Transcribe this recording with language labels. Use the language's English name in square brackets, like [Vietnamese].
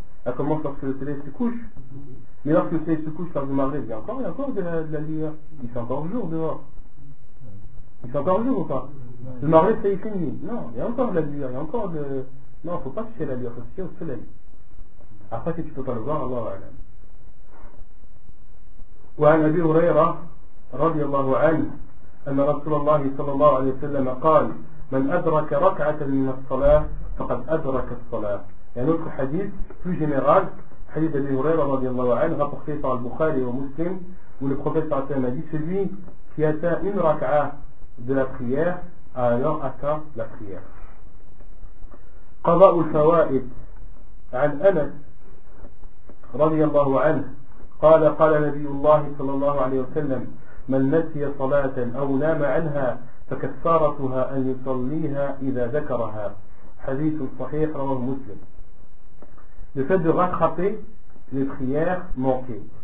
[French] Elle commence lorsque le soleil se couche. Mais lorsque le soleil se couche vers le Maghreb, il y a encore de la lumière. Il fait encore jour dehors. Il fait encore jour ou pas? Le Maghreb, ça y finit. Non, il y a encore de la lumière. Il y a encore de... Non, il ne faut pas ficher la lumière, il faut ficher au soleil. Après, si tu ne peux pas le voir, Allah a'lam. [Arabic] وعن أبي هريرة رضي الله عنه أن رسول الله صلى الله عليه وسلم قال من أدرك ركعة من الصلاة فقد أدرك الصلاة. يعني نقول حديث في جنرال حديث أبي هريرة رضي الله عنه رابطه على البخاري ومسلم والبخاري صلى الله عليه وسلم [French] celui qui atteint une ركعة de la prière [Arabic] alors atteint la prière. قضاء الفوائد عن أنس رضي الله عنه قال نبي الله صلى الله عليه وسلم من نسي صلاة أو نام عنها فكفارتها أن يصليها إذا ذكرها. حديث صحيح رواه مسلم. [French] Le fait de rattraper les prières manquées.